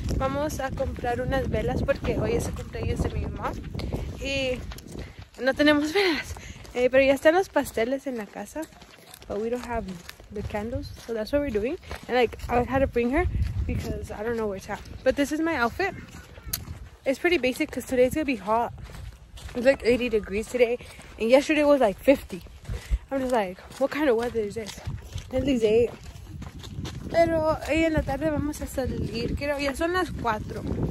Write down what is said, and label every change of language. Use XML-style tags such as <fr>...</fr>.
<es>Vamos a comprar unas velas porque hoy es el cumpleaños de mi mamá. Y no tenemos velas. Pero ya están los pasteles en la casa.</es> <en>But we don't have the candles. So that's what we're doing. And like, I had to bring her because I don't know where it's at. But this is my outfit. It's pretty basic because today's going to be hot. It's like 80 degrees today. And yesterday was like 50. I'm just like, what kind of weather is this? At least 8.</en> <es>Pero hoy en la tarde vamos a salir, creo, ya son las 4.</es>